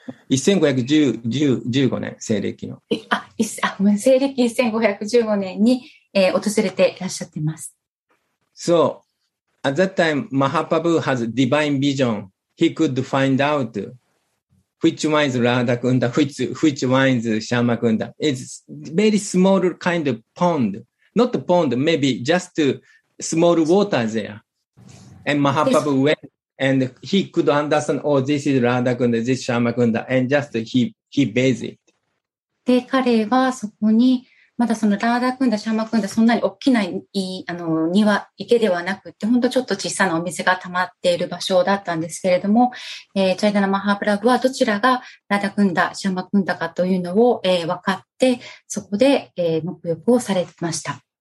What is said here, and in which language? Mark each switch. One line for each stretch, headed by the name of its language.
Japanese: 1515年に訪れていらっしゃっています。
English: So, at that time, Mahaprabhu has divine vision. He could find outWhich one is Radha Kunda, which one is Sharma Kunda? It's very small kind of pond. Not a pond, maybe just small water there. And Mahaprabhu went and he could understand, oh, this is Radha Kunda, this is Shama Kunda, and just he bathed it.
Japanese: で、彼はそこに、まだそのラーダクンダ、シャーマクンダ、そんなに大きな庭、池ではなくて、ほんとちょっと小さなお水が溜まっている場所だったんですけれども、チャイタナ・マハプラグはどちらがラーダクンダ、シャーマクンダかというのを、分かって、そこで、沐浴をされました。